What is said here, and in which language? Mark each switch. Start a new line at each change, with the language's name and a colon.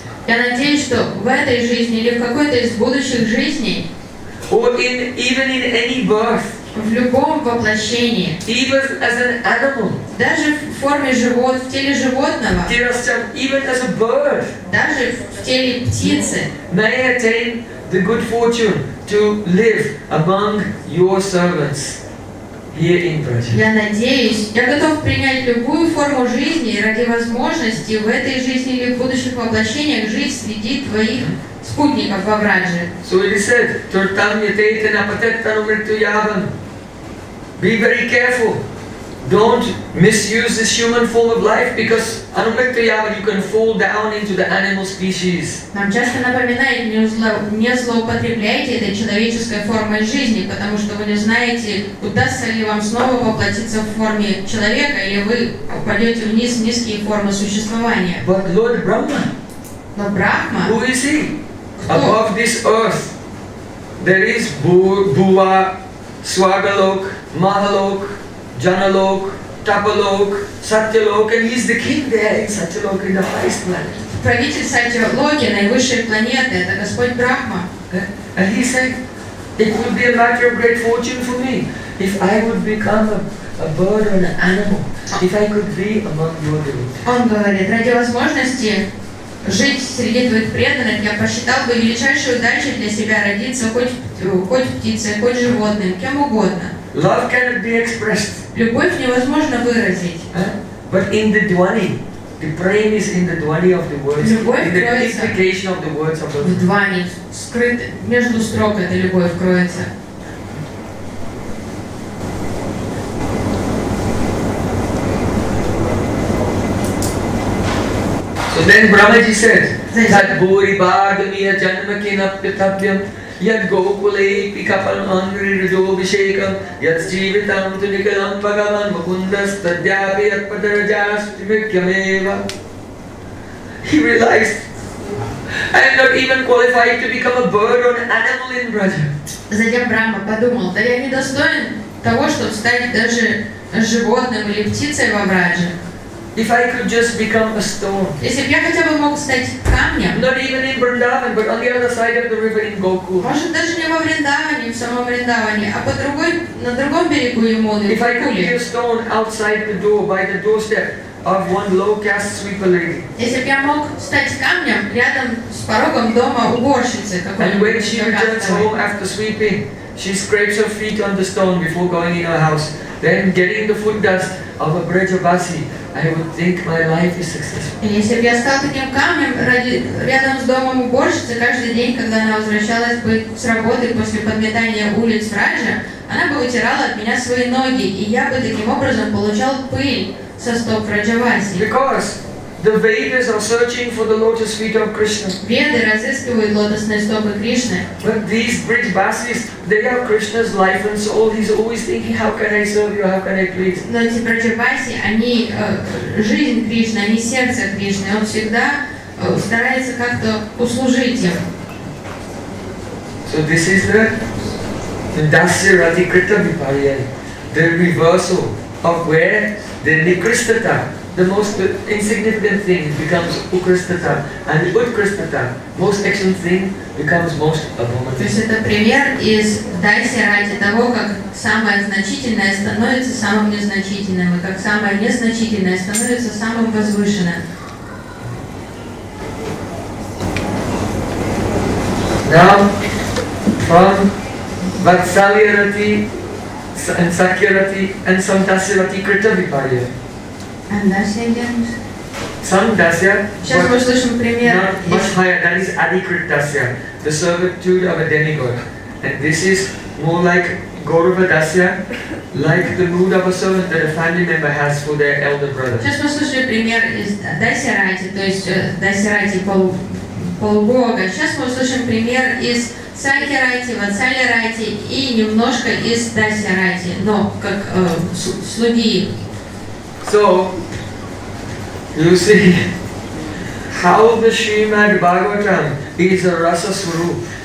Russian: Я надеюсь, что в этой жизни или в какой-то из будущих жизней.
English: Or in even in any birth.
Russian: В любом воплощении.
English: Even as an animal.
Russian: Даже в форме живот, в теле животного.
English: Even as a bird.
Russian: Даже в теле птицы.
English: May I attain the good fortune to live among your servants?
Russian: Я надеюсь, я готов принять любую форму жизни ради возможности в этой жизни или в будущих воплощениях жить среди твоих спутников во Врадже.
English: So it is said,
Sanskrit: Tortam yateite napatettaru mrityuyavam.
English: Be very careful. Don't misuse this human form of life, because anumrityuyavam, you can fall down into the animal species.
Russian: Нам часто напоминает, не злоупотребляйте этой человеческой формой жизни, потому что вы не знаете, удастся ли вам снова воплотиться в форме человека, или вы упадете вниз в низкие формы существования.
English: But Lord Brahma,
Russian: но Брахма,
English: who is he?
Russian: Кто?
English: Above this earth, there is Bhuva, Swargalok, Mahalok, Janalok, Tapalok, Satyalok, and he's the king there in Satyalok, in the highest planet.
Russian: Правитель Сатьялоки, наивысшей планеты, это Господь Брахма.
English: And he said, it would be a matter of great fortune for me if I would become a bird or an animal, if I could be among your devotees.
Russian: Он говорит, ради возможности жить среди твоих преданных, я посчитал бы величайшей удачей для себя родиться хоть птицей, хоть животным, кем угодно.
English: Love cannot be expressed.
Russian: Любовь невозможно выразить.
English: But in the dwelling, the praying is in the dwelling of the words.
Russian: Любовь
English: in the purification of the words of the
Russian: В дване, скрыт между строк эта любовь кроется.
English: So then Brahmaji said,
Sanskrit: Tad Bhuri Bhagamiya Janamakina Pitabhyam Yad Gokule Pikapal Mangri Rajobhishekam Yad Jeevitam Tunikalam Bhagavan Mukundas Tadyabhi Yad Padarajasuti Vikyameva.
English: He realized, I am not even qualified to become a bird or an animal in Braj.
Russian: Затем Брахма подумал, да я не достоин того, чтобы стать даже животным или птицей во Враже.
English: If I could just become a stone.
Russian: Если бы я хотя бы мог стать камнем.
English: Not even in Vrindavan, but on the other side of the river in Gokul.
Russian: Может даже не во Вриндаване, в самом Вриндаване, а по другой, на другом берегу Ямуны.
English: If I could be a stone outside the door, by the doorstep of one low caste sweeper lady.
Russian: Если бы я мог стать камнем рядом с порогом дома уборщицы какой-нибудь.
English: And when she returns home after sweeping, she scrapes her feet on the stone before going in her house. Then getting the food dust of a Brajavasi, I would think my life is successful.
Russian: Если бы я стал таким камнем рядом с домом уборщицы каждый день, когда она возвращалась бы с работы после подметания улиц Враджа, она бы вытирала от меня свои ноги, и я бы таким образом получал пыль со стоп Враджавасии.
English: Because the Vedas are searching for the lotus feet of Krishna.
Russian: Веды разыскивают лотосные стопы Кришны.
English: But these Brajavasis, they are Krishna's life and soul. He's always thinking, how can I serve you? How can I please?
Russian: Но эти Брачавасии, они жизнь Кришны, они сердце Кришны. Он всегда старается как-то услужить им.
English: So this is the Dasya Rati Krita Vipariyani, the reversal of where the Nikristata, the most insignificant thing becomes Ukristata, and the Utkristata, most excellent thing, becomes most abominable.
Russian: То есть это пример из Дайси Рати того, как самое значительное становится самым незначительным, и как самое незначительное становится самым возвышенным.
English: Now, from Vatsalya Rati, and Sakya Rati, and Santasya Rati Krita Vipariya. And Dasya again? Some Dasya, but not much higher, that is Adikrit Dasya, the servitude of a demigod. And this is more like Gaurava Dasya, like the mood of a servant that a family member has for their elder brother.
Russian: Сейчас мы услышим пример из Дасья Рати, то есть Дасья Рати полубога. Сейчас мы услышим пример из Сакья Рати, Ватсалья Рати и немножко из Дасья Рати, но как слуги.
English: So, you see, how the Srimad Bhagavatam is a rasa swarup.